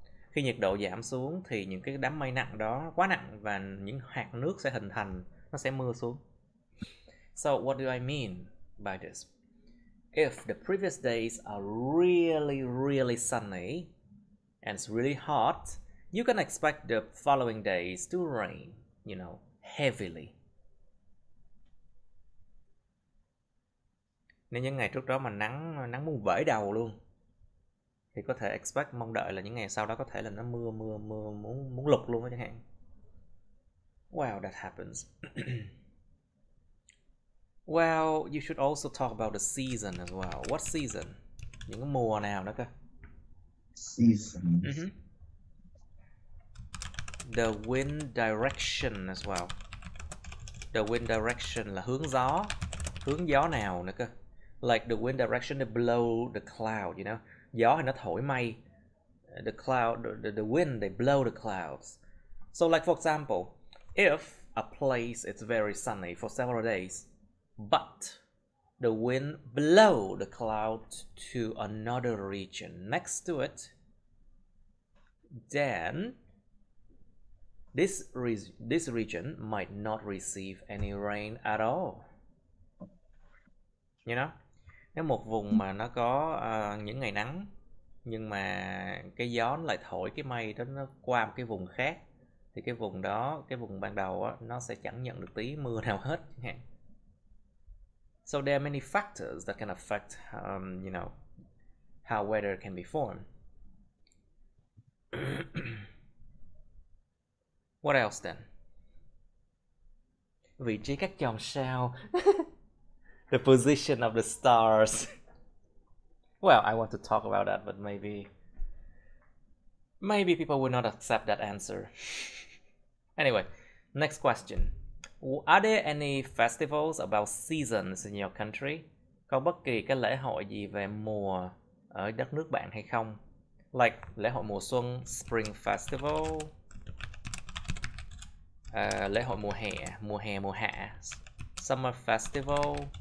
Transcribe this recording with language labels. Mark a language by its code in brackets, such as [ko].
[vi] Khi nhiệt độ giảm xuống thì những cái đám mây nặng đó quá nặng và những hạt nước sẽ hình thành, nó sẽ mưa xuống. [en] So what do I mean by this? If the previous days are really, really sunny and it's really hot, you can expect the following days to rain, you know, heavily. [vi] Nếu những ngày trước đó mà nắng muốn vẩy đầu luôn, thì có thể expect, mong đợi là những ngày sau đó có thể là nó mưa muốn lụt luôn đó chẳng hạn. [en] Well, that happens. Well, you should also talk about the season as well. What season? [vi] Những cái mùa nào đó cơ? [en] Season. The wind direction as well. The wind direction [vi] là hướng gió nào nữa cơ? [en] Like the wind direction to blow the cloud, you know. [vi] Gió thì nó thổi mây. [en] The cloud, the wind, they blow the clouds. So like for example, if a place is very sunny for several days, but the wind blow the cloud to another region next to it, then this region might not receive any rain at all. You know? [vi] Nếu một vùng mà nó có những ngày nắng nhưng mà cái gió nó lại thổi cái mây đó nó qua một cái vùng khác, thì cái vùng đó, cái vùng ban đầu á, nó sẽ chẳng nhận được tí mưa nào hết. [en] So there are many factors that can affect you know, how weather can be formed. What else then? [vi] Vị trí các chòm sao. [en] The position of the stars. Well, I want to talk about that, but maybe people will not accept that answer. Anyway, next question. Are there any festivals about seasons in your country? [vi] Có bất kỳ cái lễ hội gì về mùa ở đất nước bạn hay không? Like lễ hội mùa xuân, Spring Festival. Lễ hội mùa hè, Summer Festival.